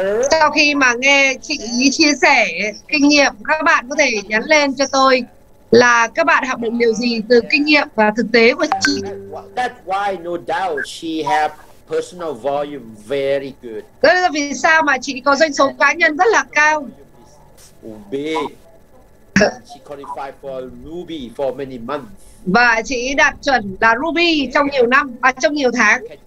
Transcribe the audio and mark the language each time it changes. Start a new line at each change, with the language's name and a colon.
Vietnamese: Sau khi mà nghe chị chia sẻ kinh nghiệm, các bạn có thể nhắn lên cho tôi là các bạn học được điều gì từ kinh nghiệm và thực tế của chị.
English: That's why no doubt she have personal volume very good.
Vietnamese: Đó là vì sao mà chị có doanh số cá nhân rất là cao.
English: She qualified for Ruby for many months.
Vietnamese: Và chị đạt chuẩn là Ruby trong nhiều năm và trong nhiều tháng.